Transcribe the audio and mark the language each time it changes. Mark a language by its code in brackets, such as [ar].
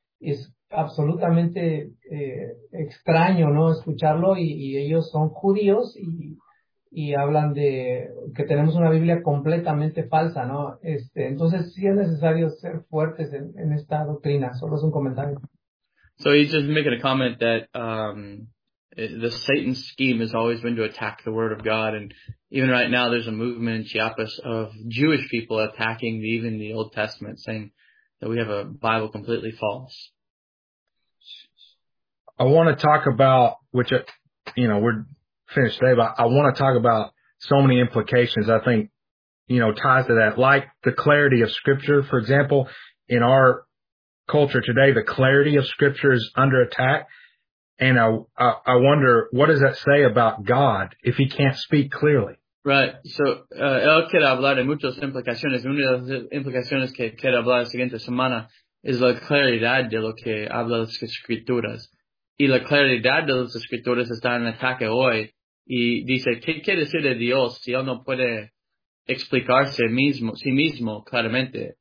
[es] Es absolutamente extraño, ¿no?, escucharlo, y ellos son judíos y hablan de que tenemos una Biblia completamente falsa, ¿no? Entonces sí es necesario ser fuertes en esta doctrina. Solo es un comentario. [en] So he's just making a comment that the Satan scheme has always been to attack the Word of God, and even right now there's a movement in Chiapas of Jewish people attacking even the Old Testament, saying that we have a Bible completely false. I want to talk about, which, you know, we're finished today, but I want to talk about so many implications, I think, you know, ties to that, like the clarity of Scripture. For example, in our culture today, the clarity of Scripture is under attack. And I wonder, what does that say about God if he can't speak clearly? Right. So, [es] él quiere hablar de muchas implicaciones. Una de las implicaciones que quiere hablar la siguiente semana es la claridad de lo que habla las Escrituras. y la claridad de los escritores está en ataque hoy. Y dice, ¿qué quiere decir de Dios si él no puede explicarse mismo, sí mismo claramente?